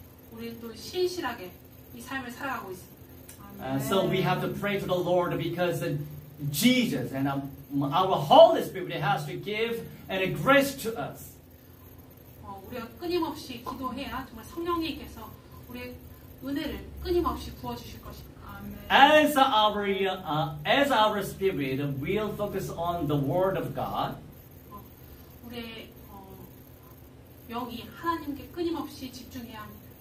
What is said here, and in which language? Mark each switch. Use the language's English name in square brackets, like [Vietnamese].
[Korean] 우리는 또 신실하게 이 삶을 살아가고 있습니다. [English] So we have to pray to the Lord because Jesus and our Holy Spirit has to give and a grace to us. [Korean] 우리가 끊임없이 기도해야 정말 성령님께서 우리의 은혜를 끊임없이 부어 주실 것입니다. [English] As our spirit will focus on the Word of God. [Korean] 우리의 영이 하나님께 끊임없이 집중해야 합니다.